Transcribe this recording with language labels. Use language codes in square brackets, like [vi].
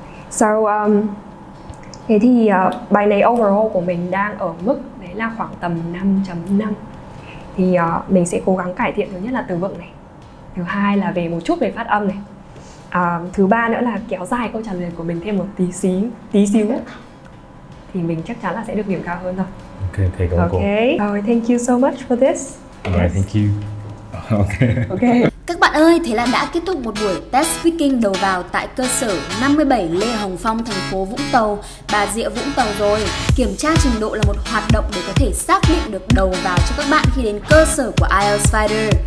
[vi] So thế thì bài này overall của mình đang ở mức đấy là khoảng tầm 5.5. Thì mình sẽ cố gắng cải thiện, thứ nhất là từ vựng này. Thứ hai là về một chút về phát âm này. Thứ ba nữa là kéo dài câu trả lời của mình thêm một tí xíu. Thì mình chắc chắn là sẽ được điểm cao hơn rồi. Ok, thầy cảm ơn [en] cô. Okay. Thank you so much for this. Alright, yes. Thank you. Okay. Okay. [vi] Các bạn ơi, thế là đã kết thúc một buổi test speaking đầu vào tại cơ sở 57 Lê Hồng Phong, thành phố Vũng Tàu, Bà Rịa, Vũng Tàu rồi. Kiểm tra trình độ là một hoạt động để có thể xác định được đầu vào cho các bạn khi đến cơ sở của IELTS Fighter.